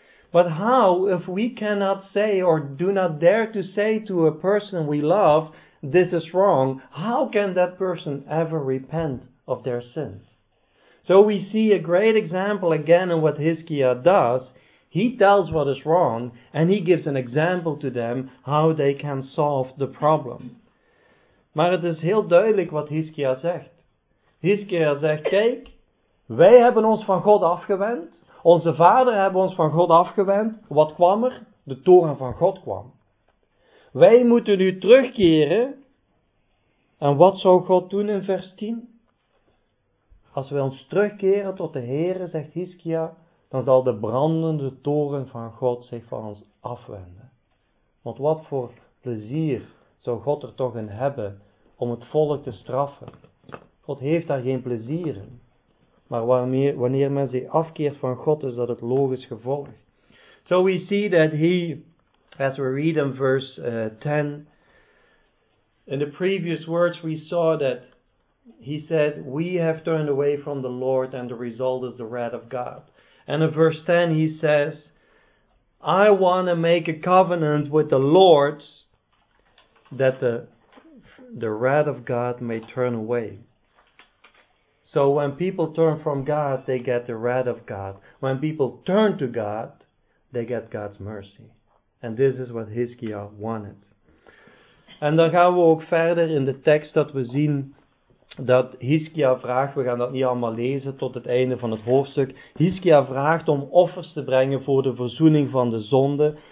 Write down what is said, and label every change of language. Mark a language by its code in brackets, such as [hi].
[en] But how if we cannot say or do not dare to say to a person we love, this is wrong, how can that person ever repent of their sin? So we see a great example again in what Hizkia does. He tells what is wrong and he gives an example to them how they can solve the problem. [nl] Maar het is heel duidelijk wat Hizkia zegt. Hizkia zegt, kijk, wij hebben ons van God afgewend. Onze vader hebben ons van God afgewend. Wat kwam er? De toren van God kwam. Wij moeten nu terugkeren. En wat zou God doen in vers 10? Als wij ons terugkeren tot de Heere, zegt Hizkia, dan zal de brandende toren van God zich van ons afwenden. Want wat voor plezier zou God er toch in hebben om het volk te straffen? God heeft daar geen plezier in. Maar wanneer men zich afkeert van God, is dat het logisch gevolg. [en] So we see that he, as we read in verse 10, in the previous words we saw that he said, we have turned away from the Lord and the result is the wrath of God. And in verse 10 he says, I want to make a covenant with the Lord that the wrath of God may turn away. So when people turn from God, they get the wrath of God. When people turn to God, they get God's mercy. And this is what Hizkia wanted. [nl] En dan gaan we ook verder in de tekst dat we zien dat Hizkia vraagt, we gaan dat niet allemaal lezen tot het einde van het hoofdstuk. Hizkia vraagt om offers te brengen voor de verzoening van de zonde.